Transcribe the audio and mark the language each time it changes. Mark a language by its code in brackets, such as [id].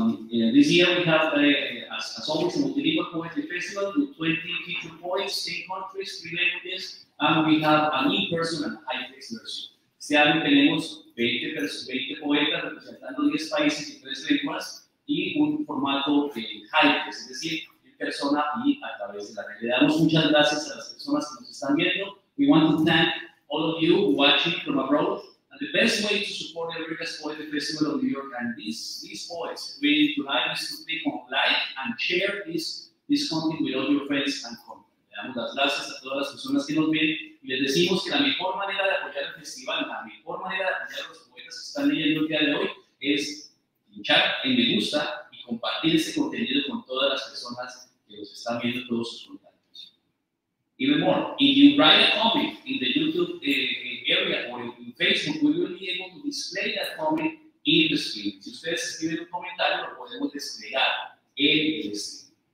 [en] This year we have, as always, the Multilingual Poetry Festival with 20 feature poets, 10 countries, 3 languages, and we have an in-person and high-text version. [es] Este año tenemos 20 poetas representando 10 países y 3 lenguas y un formato high-text, es decir, en persona y a través de la red. Le damos muchas gracias a las personas que nos están viendo. [en] We want to thank all of you watching from abroad. The best way to support the America's Poetry Festival of New York and these poets waiting tonight is to click on like and share this content with all your friends and contacts. Le damos las gracias a todas las personas que nos ven y les decimos que la mejor manera de apoyar el festival, la mejor manera de apoyar a los poetas. [es] se están leyendo el día de hoy, es pinchar en me gusta y compartir ese contenido con todas las personas que los están viendo, todos sus contactos. [en] Even more, if you write a comment in the YouTube area or in Facebook, we will be able to display that comment in the screen. [es] Si ustedes escriben un comentario, lo podemos desplegar en el screen.